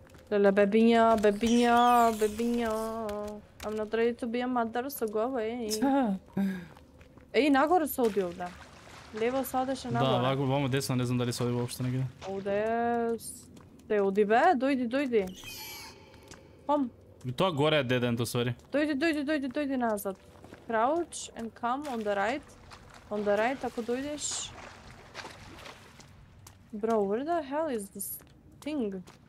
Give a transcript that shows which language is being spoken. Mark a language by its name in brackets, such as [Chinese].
[Macedonian] Леле, бебиња, бебиња, бебиња. [English] I'm not ready to be a mother, so go away. [Macedonian] Ей, нагоре се оди овде. Лево се одеше нагоре. Да, ваку, вамо десно, не знам дали се оди вопшто негде. Оде... Те, оди бе, дојди, дојди. Хом. Тоа горе е деден, то свари. Дојди, дојди, дојди, дојди назад. [English] Crouch and come on the right. On the right, [Macedonian] ако дојдеш... [English] Бро, where the hell is this thing?